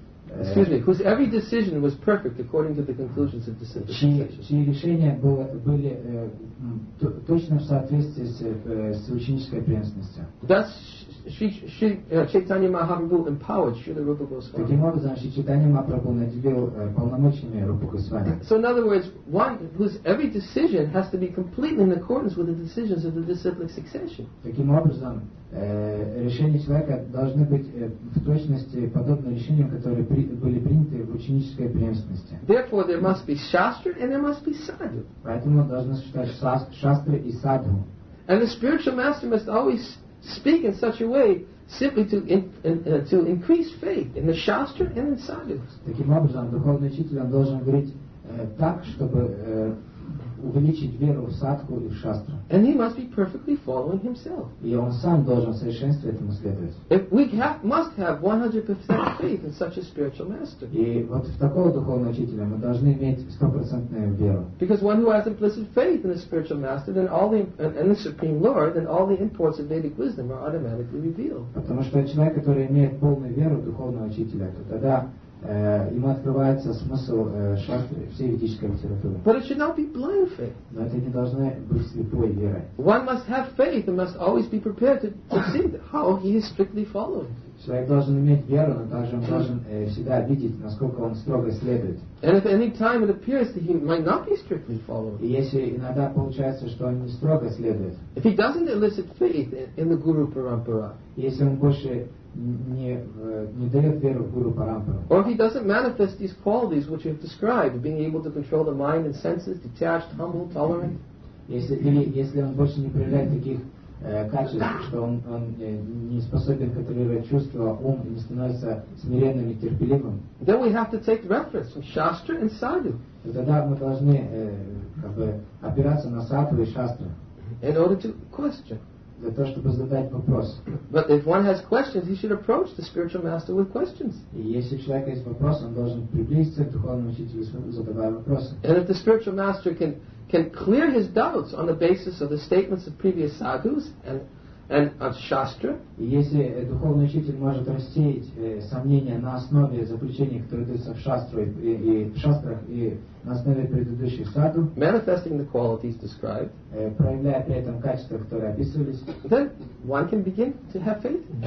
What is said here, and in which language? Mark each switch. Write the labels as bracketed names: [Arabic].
[English] Excuse me, whose every decision was perfect according to the conclusions of disintegration. [Russian] Чьи решения были точно в соответствии с ученической преемственностью. [English] Thus, Chaitanya Mahaprabhu empowered Śrīla Rūpa Gosvāmī. [Russian] Таким образом, Чайтанья Махапрабху наделил полномочиями Рупа Госвами. [English] So in other words, one whose every decision has to be completely in accordance with the decisions of the disciplic succession. [Russian] Таким образом, решения человека должны быть в точности подобны решениям, которые были приняты в ученической преемственности. [English] Therefore, there must be shastra and there must be sadhu. [Russian] Поэтому должны существовать шастры и садху. [English] And the spiritual master must always speak in such a way simply to increase faith in the shastra and in sadhus. [Russian] Таким образом, духовный учитель должен говорить так, чтобы увеличить веру в садху и в шастру. [English] And he must be perfectly following himself. [Russian] И он сам должен совершенствовать этому следовать. [English] If we must have 100% faith in such a spiritual master. [Russian] И вот в такого духовного учителя мы должны иметь 100% веру. [English] Because one who has implicit faith in a spiritual master, then all the supreme lord, then all the imports of Vedic wisdom are automatically revealed. [Russian] Потому что человек, который имеет полную веру в духовного учителя, то тогда ему открывается смысл шастры, всей ведической литературы. [English] But it should not be blind faith. [Russian] Но это не должно быть слепой верой. [English] One must have faith and must always be prepared to see how he is strictly following. [Russian] Человек должен иметь веру, но также он должен всегда видеть, насколько он строго следует. [English] And if any time it appears that he might not be strictly following. [Russian] И если иногда получается, что он не строго следует. [English] If he doesn't elicit faith in the Guru Parampara. [Russian] Если он больше не дает веру в Гуру Парампару. [English] Or if he doesn't manifest these qualities which you have described, being able to control the mind and senses, detached, humble, tolerant. [Russian] Если он больше не проявляет таких качеств, что он не способен контролировать чувства, ум, и не становится смиренным и терпеливым. [English] Then we have to take reference from Shastra and Sadhu. [Russian] Тогда мы должны опираться на Садху и Шастру. [English] In order to question. [Russian] Для того, чтобы задать вопрос. [English] But if one has questions, he should approach the spiritual master with questions. [Russian] И если у человека есть вопрос, он должен приблизиться к духовному учителю и задавать вопросы. [English] And if the spiritual master can clear his doubts on the basis of the statements of previous sadhus and of shastra. [Russian] И если духовный учитель может рассеять сомнения на основе заключений, которые даются в шастре и в шастрах и на основе предыдущих садху, [English] manifesting the qualities described, [Russian] проявляя при этом качества, которые описывались, [English] then one can begin to have faith.